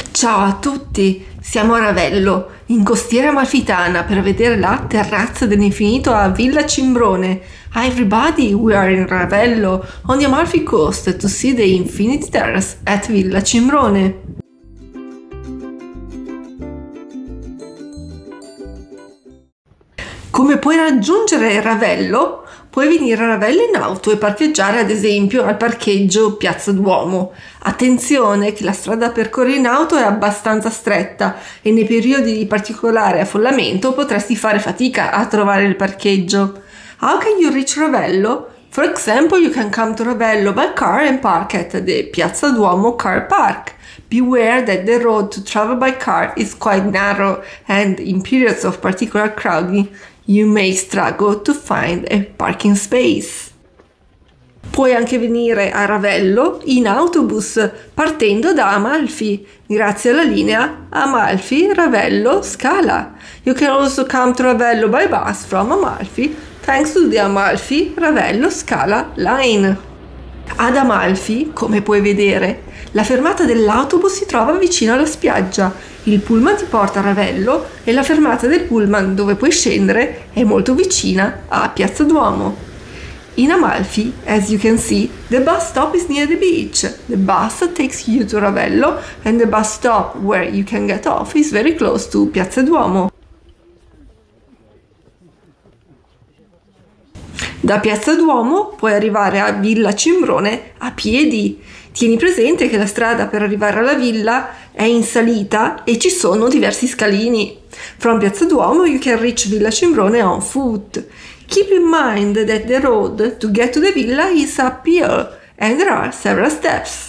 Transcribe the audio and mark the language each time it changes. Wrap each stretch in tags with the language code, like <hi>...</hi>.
<it>Ciao a tutti, siamo a Ravello, in Costiera Amalfitana, per vedere la Terrazza dell'Infinito a Villa Cimbrone.</it> <en>Hi everybody, we are in Ravello, on the Amalfi Coast, to see the Infinite Terrace at Villa Cimbrone.</en> <it>Come puoi raggiungere Ravello? Puoi venire a Ravello in auto e parcheggiare ad esempio al parcheggio Piazza Duomo. Attenzione che la strada da percorrere in auto è abbastanza stretta e nei periodi di particolare affollamento potresti fare fatica a trovare il parcheggio.</it> <en>How can you reach Ravello? For example, you can come to Ravello by car and park at the Piazza Duomo car park. Beware that the road to travel by car is quite narrow and in periods of particular crowding you may struggle to find a parking space.</en> <it>Puoi anche venire a Ravello in autobus partendo da Amalfi, grazie alla linea Amalfi-Ravello-Scala.</it> <en>You can also come to Ravello by bus from Amalfi, thanks to the Amalfi-Ravello-Scala line.</en> <it>Ad Amalfi, come puoi vedere, la fermata dell'autobus si trova vicino alla spiaggia. Il pullman ti porta a Ravello e la fermata del pullman dove puoi scendere è molto vicina a Piazza Duomo.</it> <en>In Amalfi, as you can see, the bus stop is near the beach. The bus takes you to Ravello and the bus stop where you can get off is very close to Piazza Duomo.</en> <it>Da Piazza Duomo puoi arrivare a Villa Cimbrone a piedi. Tieni presente che la strada per arrivare alla villa è in salita e ci sono diversi scalini.</it> <en>From Piazza Duomo you can reach Villa Cimbrone on foot. Keep in mind that the road to get to the villa is uphill and there are several steps.</en>